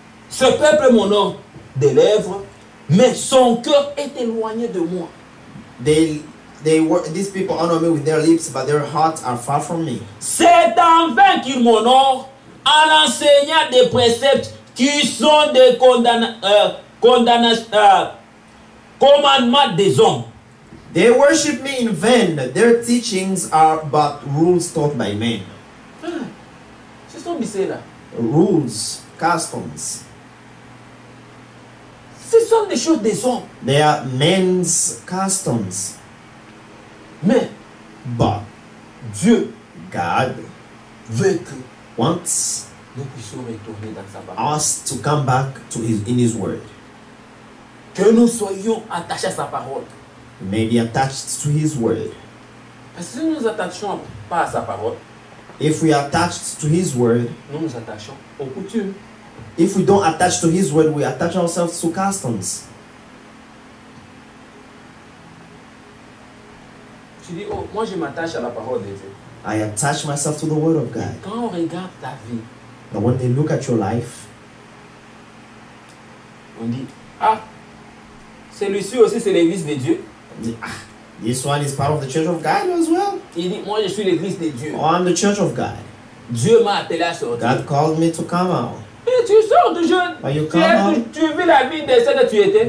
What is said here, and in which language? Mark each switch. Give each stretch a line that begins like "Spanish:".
French: Ce peuple, mon nom des lèvres, mais son cœur est éloigné de moi.
English: These people honor me with their lips, but their hearts are far from me.
French: C'est en vain qu'il m'honore en enseignant des préceptes qui sont des commandements des hommes.
English: They worship me in vain. Their teachings are but rules taught by men.
French: Ce sont mis là.
English: Rules, customs.
French: Ce sont des choses des hommes.
English: They are men's customs.
French: Mais,
English: but
French: Dieu,
English: God,
French: veut que
English: wants
French: nous puissions retourner dans sa parole.
English: Us to come back to his in his word.
French: Que nous soyons attachés à sa parole.
English: May be attached to his word.
French: Parce que nous attachons pas à sa parole.
English: If we are attached to his word,
French: nous attachons aux coutumes.
English: If we don't attach to his word, we attach ourselves to customs.
French: Tu dis, oh, moi je m'attache à la parole de Dieu.
English: I attach myself to the word of God.
French: Quand on regarde ta vie,
English: but when they look at your life,
French: on dit, ah, celui-ci aussi c'est l'église de Dieu.
English: This one is part of the church of God as well.
French: Il dit, moi je suis l'église de Dieu.
English: Oh, I'm the church of God.
French: Dieu m'a appelé à sortir.
English: God called me to come out.
French: Et tu sors toujours. Tu vis la vie de celle que tu étais.